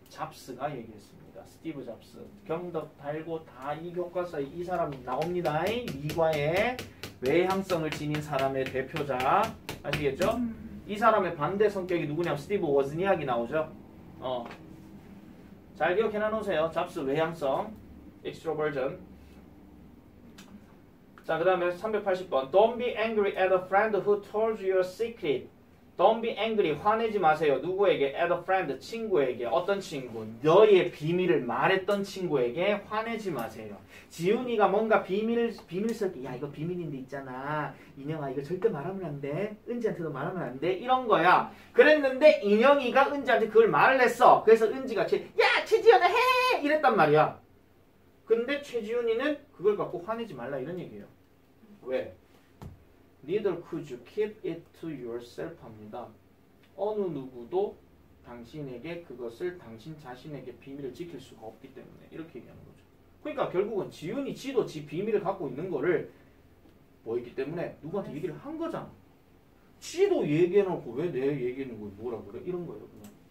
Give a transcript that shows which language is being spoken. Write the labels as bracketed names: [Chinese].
[Korean] 잡스가 얘기했습니다. 스티브 잡스. 경덕 달고 다 이 교과서에 이 사람 나옵니다. 이 과에 외향성을 지닌 사람의 대표자. 아시겠죠? 이 사람의 반대 성격이 누구냐면 스티브 워즈니악이 나오죠. 잘 기억해 놓으세요. 잡스 외향성, 익스트로버전. 자, 그 다음에 380번. [English] Don't be angry at a friend who told you a secret. Don't be angry. [Korean] 화내지 마세요. 누구에게? [English] At a friend. [Korean] 친구에게. 어떤 친구? 너의 비밀을 말했던 친구에게 화내지 마세요. 지훈이가 뭔가 비밀스럽게 야 이거 비밀인데 있잖아. 인영아 이거 절대 말하면 안 돼. 은지한테도 말하면 안 돼. 이런 거야. 그랬는데 인영이가 은지한테 그걸 말을 했어. 그래서 은지가 야 최지훈아 해! 이랬단 말이야. 근데 최지훈이는 그걸 갖고 화내지 말라 이런 얘기예요. 왜? [English] Neither could you keep it to yourself [Korean] 합니다. 어느 누구도 당신에게 그것을 당신 자신에게 비밀을 지킬 수가 없기 때문에 이렇게 얘기하는 거죠. 그러니까 결국은 지훈이 지도 지 비밀을 갖고 있는 거를 뭐 있기 때문에 누구한테 얘기를 한 거잖아. 지도 얘기해놓고 왜 내 얘기하는 거 뭐라 그래 이런 거예요. 그냥.